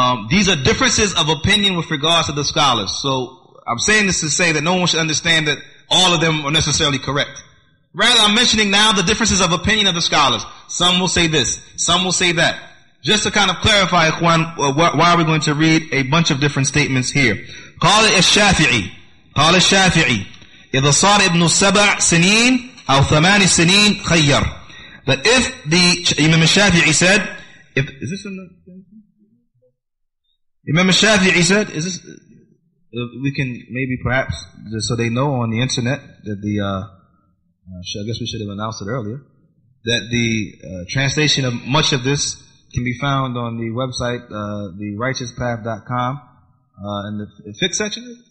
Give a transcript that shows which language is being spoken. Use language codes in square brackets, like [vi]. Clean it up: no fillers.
[en] These are differences of opinion with regards to the scholars. So I'm saying this to say that no one should understand that all of them are necessarily correct. Rather, I'm mentioning now the differences of opinion of the scholars. Some will say this, some will say that. Just to kind of clarify, Ikhwan, why are we going to read a bunch of different statements here? [ar] قال الشافعي. قال الشافعي إذا صار ابن سبع سنين أو ثمان سنين خير. [en] But if the Imam al-Shafi'i said, if is this in the Imam al-Shafi'i said, is this, we can maybe perhaps just so they know on the internet that the I guess we should have announced it earlier, that the translation of much of this can be found on the website therighteouspath.com in the fix section.